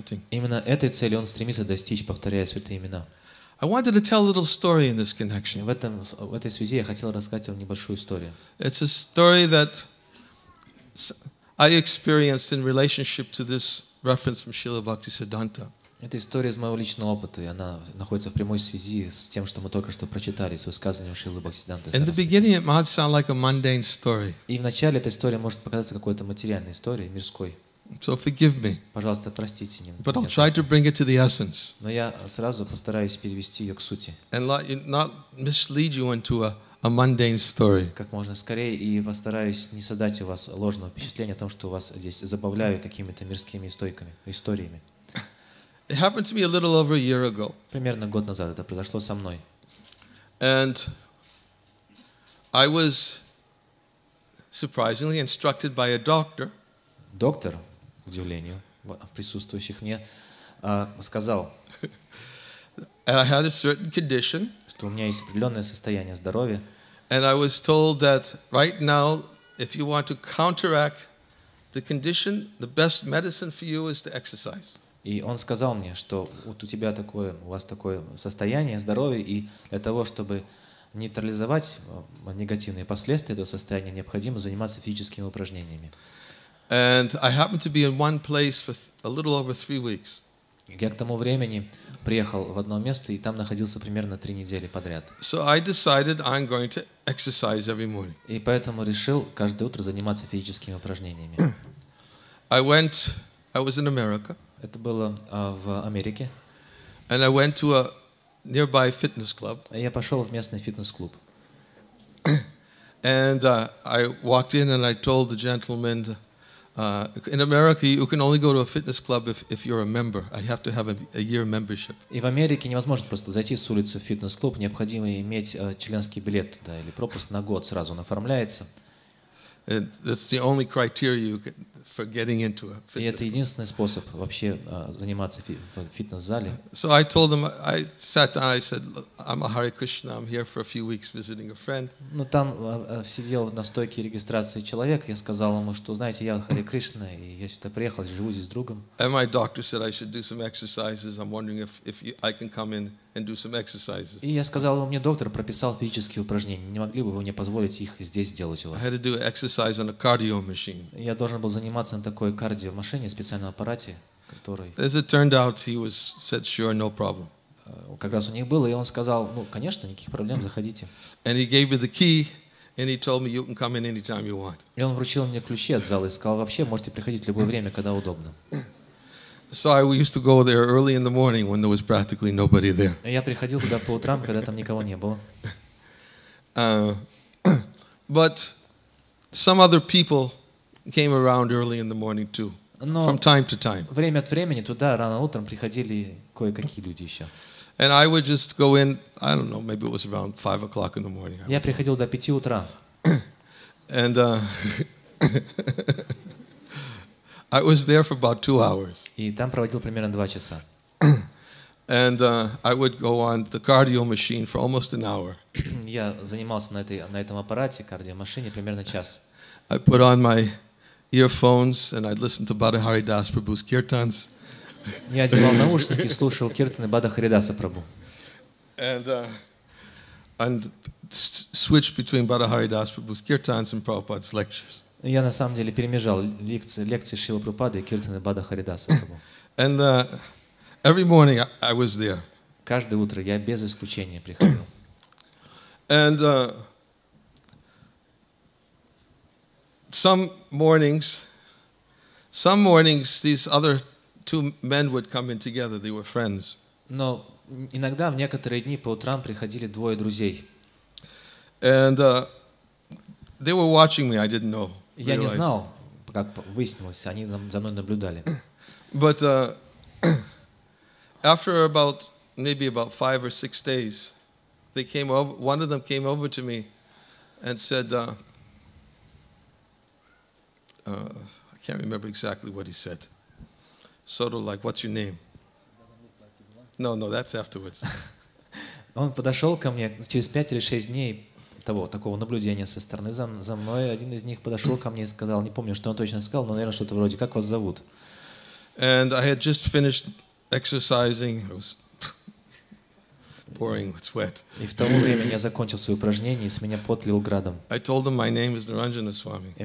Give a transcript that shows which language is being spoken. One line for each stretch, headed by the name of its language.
Russian: Именно этой цели он стремится достичь, повторяя святые имена.
English: I wanted to tell a little story in this connection.
Russian: В этой связи я хотел рассказать вам небольшую историю.
English: It's a story that I experienced in relationship to this reference from Śrīla Bhaktisiddhānta.
Russian: Это история из моего личного опыта, и она находится в прямой связи с тем, что мы только что прочитали, с высказыванием Шрилы Бхактисиддханты.
English: In the beginning, it might sound like a mundane story.
Russian: И вначале эта история может показаться какой-то материальной историей, мирской.
English: So forgive me.
Russian: Пожалуйста, простите меня.
English: But I'll try to bring it to the essence.
Russian: Но я сразу постараюсь перевести ее к сути.
English: And not mislead you into a mundane story.
Russian: Как можно скорее, и постараюсь не создать у вас ложного впечатления о том, что вас здесь забавляю какими-то мирскими историями.
English: It happened to me a little over a year ago.
Russian: Примерно год назад это произошло со мной.
English: And I was surprisingly instructed by a doctor.
Russian: Доктор, к удивлению. присутствующих мне сказал,
English: and I had a certain condition,
Russian: что у меня есть определенное состояние здоровья.
English: And I was told that right now, if you want to counteract the condition, the best medicine for you is to exercise.
Russian: И он сказал мне, что вот у тебя такое, у вас такое состояние здоровья, и для того, чтобы нейтрализовать негативные последствия этого состояния, необходимо заниматься физическими упражнениями.
English: And I happened to be in one place for a little over 3 weeks.
Russian: Я к тому времени приехал в одно место и там находился примерно 3 недели подряд.
English: So I decided I'm going to exercise every morning.
Russian: И поэтому решил каждое утро заниматься физическими упражнениями.
English: I was in America.
Russian: Это было в Америке.
English: And I went to a nearby fitness club.
Russian: Я пошел в местный фитнес-клуб.
English: And I walked in and I told the gentleman, in America you can only go to a fitness club if you're a member. I have to have a year membership.
Russian: И в Америке невозможно просто зайти с улицы в фитнес-клуб, необходимо иметь членский билет туда или пропуск на год сразу он оформляется.
English: That's the only criteria you can for getting into a fitness.
Russian: И это единственный способ вообще заниматься в фитнес-зале.
English: So I told them, I sat down, I said, I'm a Hare Krishna, I'm here for a few weeks visiting a friend.
Russian: Но там сидел на стойке регистрации человек, я сказал ему, что, знаете, я Харе Кришна, и я сюда приехал, живу здесь с другом.
English: And my doctor said I should do some exercises. I'm wondering if I can come in and do some exercises.
Russian: И я сказал ему, мне доктор прописал физические упражнения, не могли бы вы мне позволить их здесь сделать у вас?
English: I had to do an exercise on a cardio machine.
Russian: Я должен был заниматься на такой кардиомашине, специальном аппарате, который...
English: As it turned out, he was said, sure, no problem.
Russian: Как раз у них было, и он сказал, ну, конечно, никаких проблем, заходите.
English: And he gave me the key, and he told me, you can come in anytime you want.
Russian: И он вручил мне ключи от зала и сказал, вообще, можете приходить в любое время, когда удобно.
English: So I used to go there early in the morning when there was practically nobody there.
Russian: Я приходил туда по утрам, когда там никого не было.
English: But some other people came around early in the morning too.
Russian: Но
English: from time to time.
Russian: Время от времени туда рано утром приходили кое-какие люди еще.
English: And I would just go in, I don't know, maybe it was around 5 o'clock in the morning.
Russian: Я приходил до 5 утра.
English: And I was there for about 2 hours.
Russian: И там проводил примерно 2 часа.
English: And I would go on the cardio machine for almost an hour.
Russian: Я занимался на этом аппарате, кардиомашине, примерно час.
English: I put on my earphones and I'd listen to Badahari Das Prabhu's kirtans.
Russian: Я одевал наушники, слушал киртаны Бадахари Даса Прабху.
English: And switch between Badahari Das Prabhu's kirtans and Prabhupada's lectures.
Russian: Я на самом деле перемежал лекции Шрилы Прабхупады и киртаны Бадахари Даса Прабху.
English: And every morning I was there.
Russian: Каждое утро я без исключения приходил.
English: And some mornings these other two men would come in together. They were friends.
Russian: Но иногда в некоторые дни по утрам приходили двое друзей.
English: And they were watching me. I didn't know.
Russian: Я не знал, как выяснилось, они за мной наблюдали.
English: But after about 5 or 6 days, they came over. One of them came over to me and said, I can't remember exactly what he said. Sort of like, what's your name? No, that's afterwards.
Russian: Он подошел ко мне через 5 или 6 дней. Такого наблюдения со стороны за мной. Один из них подошел ко мне и сказал, не помню, что он точно сказал, но, наверное, что-то вроде, как вас зовут?
English: And I had just finished exercising. I was pouring with sweat.
Russian: И в то время я закончил свое упражнение, и с меня пот лил градом.
English: I told them my name is Niranjana Swami.